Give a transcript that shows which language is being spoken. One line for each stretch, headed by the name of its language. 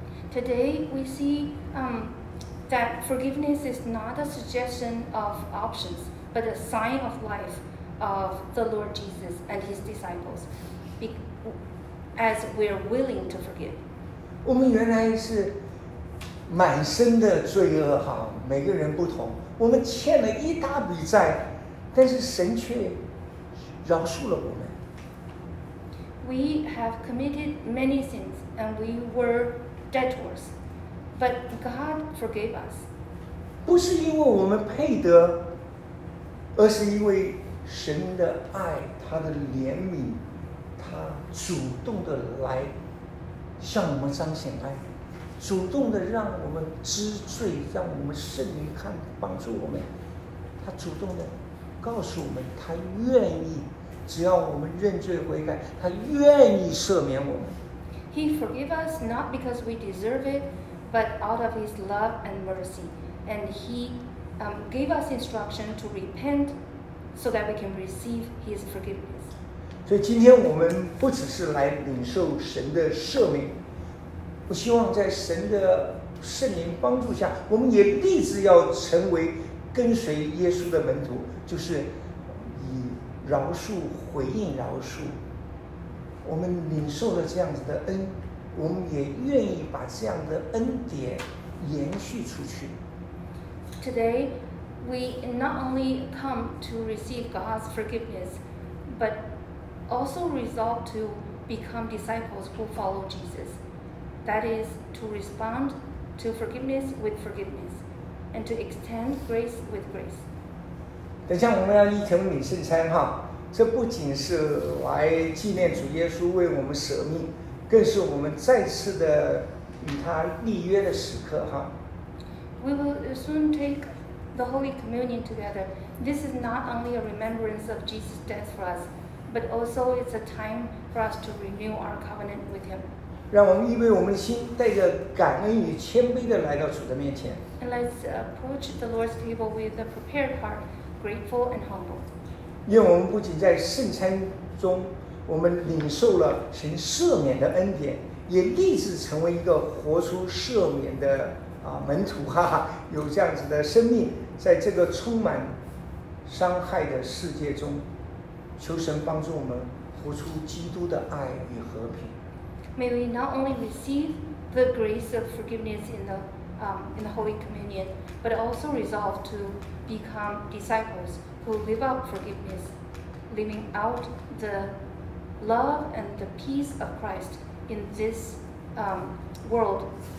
English: Today, we see that forgiveness is not a suggestion of options. But a sign of life of the Lord Jesus and his disciples, as we're willing to forgive.
Chinese: 我们原来是满身的罪恶哈，每个人不同，我们欠了一大笔债，但是神却饶恕了我们。
English: We have committed many sins and we were debtors, but God forgave us.
Chinese: 不是因为我们配得。而是因为神的爱，他的怜悯，他主动的来向我们彰显爱，主动的让我们知罪，让我们圣灵看帮助我们，他主动的告诉我们，他愿意，只要我们认罪悔改，他愿意赦免我们。
English: He forgive us not because we deserve it, but out of His love and mercy, and HeGave us instruction to repent so that we can receive His forgiveness.
Chinese: 所以今天我们不只是来领受神的赦免，我希望在神的圣灵帮助下，我们也立志要成为跟随耶稣的门徒，就是以饶恕回应饶恕。我们领受了这样子的恩，我们也愿意把这样的恩典延续出去。
English: Today, we not only come to receive God's forgiveness, but also resolve to become disciples who follow Jesus. That is, to respond to forgiveness with forgiveness, and to extend grace with grace.
Chinese: 等一下我们要一同领圣餐哈，这不仅是来纪念主耶稣为我们舍命，更是我们再次的与他立约的时刻哈。
English: We will soon take the Holy Communion together. This is not only a remembrance of Jesus' death for us, but also it's a time for us to renew our covenant with Him.
Chinese: 让我们预备我们的心，带着感恩与谦卑地来到主的面前。
English: And let's approach the Lord's table with a prepared heart, grateful and humble.
Chinese: 愿我们不仅在圣餐中，我们领受了神赦免的恩典，也立志成为一个活出赦免的。门徒哈哈，有这样子的生命，在这个充满伤害的世界中，求神帮助我们活出基督的爱与和平。
English: May we not only receive the grace of forgiveness in the Holy Communion, but also resolve to become disciples who live out forgiveness, living out the love and the peace of Christ in this world.